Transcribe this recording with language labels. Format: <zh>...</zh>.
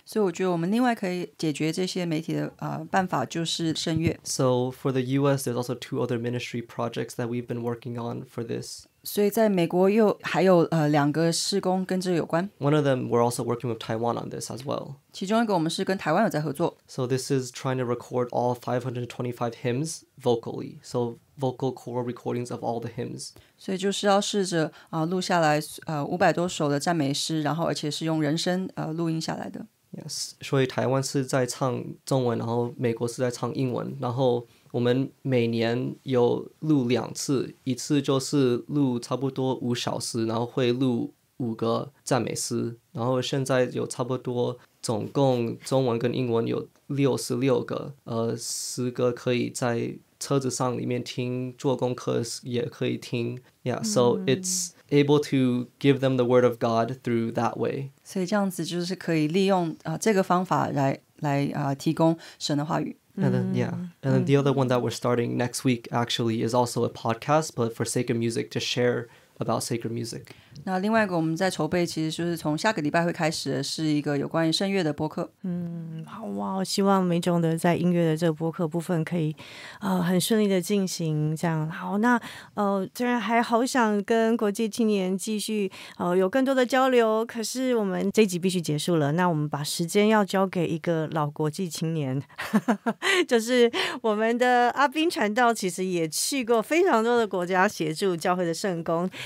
<zh>所以我觉得我们另外可以解决这些媒体的、办法就是圣乐。</zh> <en>So for the US, there's also two other ministry projects that we've been working on for this.</en> <zh>所以在美国又还有、两个事工跟这有关。</zh> <en>One of them, we're also working with Taiwan on this as well.</en> <zh>其中一个我们是跟台湾有在合作。</zh> <en>So this is trying to record all 525 hymns vocally. So vocal core recordings of all the hymns.</en> <zh>所以就是要试着、录下来、500多首的赞美诗，然后而且是用人声、录音下来的。 Yes, 所以台湾是在唱中文，然后美国是在唱英文，然后我们每年有录两次，一次就是录差不多五小时，然后会录五个赞美诗，然后现在有差不多总共中文跟英文有66个，十个可以在车子上里面听，做功课也可以听。</zh> <en>Yeah, so it's able to give them the word of God through that way.</en> <zh>所以这样子就是可以利用、这个方法 来、提供神的话语。</zh> <en>And then, yeah. And then the other one that we're starting next week actually is also a podcast, but for sacred music, to share about sacred music.</en> <zh>那另外一个我们在筹备，其实就是从下个礼拜会开始的是一个有关于圣乐的播客。好哇，希望每种的在音乐的这个播客部分可以、很顺利的进行这样。好，那、虽然还好想跟国际青年继续、有更多的交流，可是我们这一集必须结束了。那我们把时间要交给一个老国际青年，就是我们的阿宾传道，其实也去过非常多的国家协助教会的圣工。</zh>